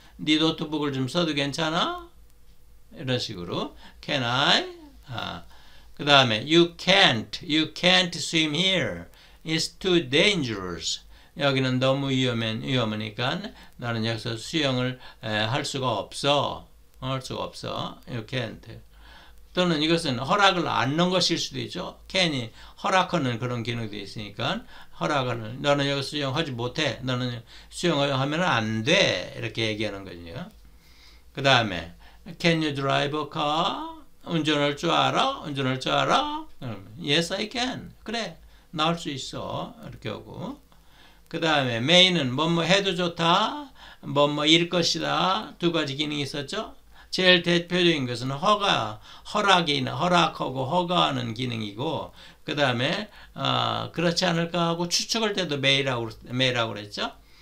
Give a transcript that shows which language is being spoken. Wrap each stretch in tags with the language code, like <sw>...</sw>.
<ko>네 노트북을 좀 써도 괜찮아? 이런 식으로</ko> <en>Can I?</en> <ko>그 다음에</ko> <en>You can't swim here. It's too dangerous.</en> <ko>여기는 너무 위험하니까 나는 여기서 수영을 할 수가 없어. 할 수가 없어.</ko> <en>You can't.</en> <ko>또는 이것은 허락을 안 넣은 것일 수도 있죠. Can이 허락하는 그런 기능도 있으니까 허락을 너는 여기서 수영하지 못해. 너는 수영을 하면 안 돼. 이렇게 얘기하는 거죠. 그 다음에</ko> <en>Can you drive a car?</en> <ko>운전할 줄 알아? 운전할 줄 알아? 그러면,</ko> <en>Yes, I can.</en> <ko>그래. 나할수 있어. 이렇게 하고. 그 다음에 May는 뭐뭐 해도 좋다. 뭐뭐 일 것이다. 두 가지 기능이 있었죠. 제일 대표적인 것은 허락하고 허가하는 기능이고, 그 다음에, 그렇지 않을까 하고 추측할 때도 may라고 그랬죠.</ko>